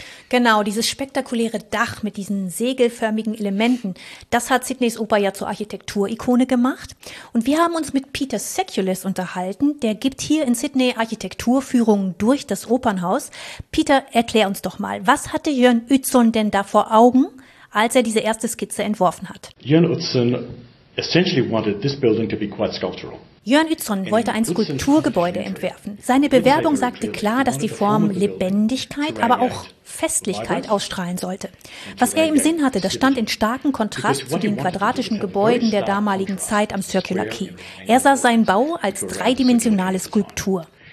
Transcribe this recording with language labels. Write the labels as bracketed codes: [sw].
[de] Genau, dieses spektakuläre Dach mit diesen segelförmigen Elementen, das hat Sydneys Oper ja zur Architekturikone gemacht. Und wir haben uns mit Peter Seculis unterhalten, der gibt hier in Sydney Architekturführungen durch das Opernhaus. Peter, erklär uns doch mal, was hatte Jørn Utzon denn da vor Augen, als er diese erste Skizze entworfen hat? [en] Jørn Utzon essentially wanted this building to be quite sculptural. [de] Jørn Utzon wollte ein Skulpturgebäude entwerfen. Seine Bewerbung sagte klar, dass die Form Lebendigkeit, aber auch Festlichkeit ausstrahlen sollte. Was er im Sinn hatte, das stand in starkem Kontrast zu den quadratischen Gebäuden der damaligen Zeit am Circular Quay. Er sah seinen Bau als dreidimensionale Skulptur.